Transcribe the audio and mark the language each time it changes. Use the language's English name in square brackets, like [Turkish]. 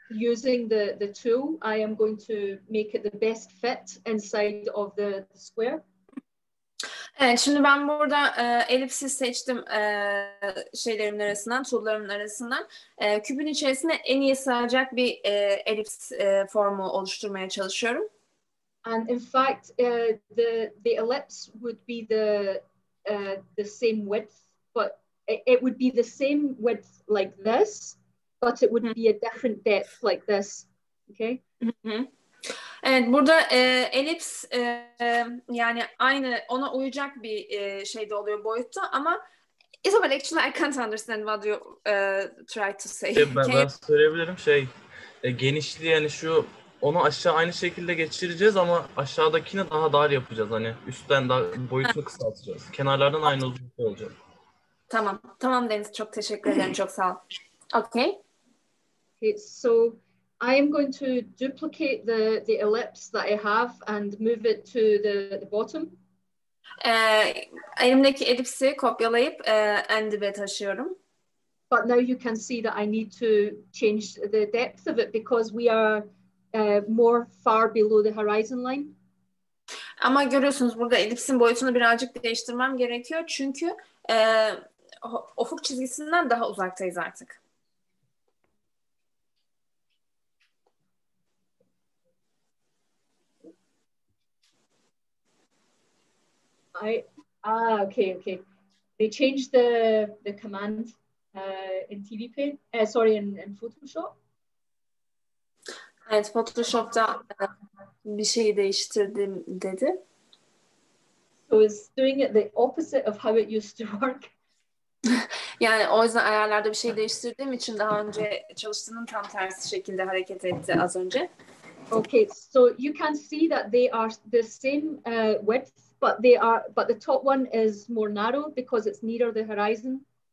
[English] using the tool, I am going to make it the best fit inside of the square. [Turkish] Evet, şimdi ben burada elipsi seçtim şeylerimin arasından, tool'larımın arasından. Küpün içerisine en iyi sığacak bir elips formu oluşturmaya çalışıyorum. [English] And in fact, the ellipse would be the same width, but it would be the same width like this, but it would be a different depth like this. Okay. [Turkish] Evet, burada elips yani aynı ona uyacak bir şey de oluyor boyutta ama Isabel, [English] actually I can't understand what you try to say. [Turkish] Ben söyleyebilirim genişliği, yani şu onu aşağı aynı şekilde geçireceğiz ama aşağıdakini daha dar yapacağız, hani üstten daha boyutunu kısaltacağız, kenarlardan aynı uzunlukta olacak. Tamam Deniz, çok teşekkür ederim, çok sağ ol. [English] Okay. So I am going to duplicate the ellipse that I have and move it to the bottom. [Turkish] Elimdeki elipsi kopyalayıp en dibe taşıyorum. [English] But now you can see that I need to change the depth of it because we are more far below the horizon line. [Turkish] Ama görüyorsunuz burada elipsin boyutunu birazcık değiştirmem gerekiyor çünkü ufuk çizgisinden daha uzaktayız artık. [English] Okay. They changed the command in TV Paint. In Photoshop. [Turkish] Evet, Photoshop'ta bir şeyi değiştirdim dedi. [English] So it's doing it the opposite of how it used to work. [Turkish] Yani o yüzden ayarlarda bir şey değiştirdiğim için daha önce çalıştığının tam tersi şekilde hareket etti az önce. [English] Okay, so you can see that they are the same width, but they are, but the top one is more narrow because it's nearer the horizon.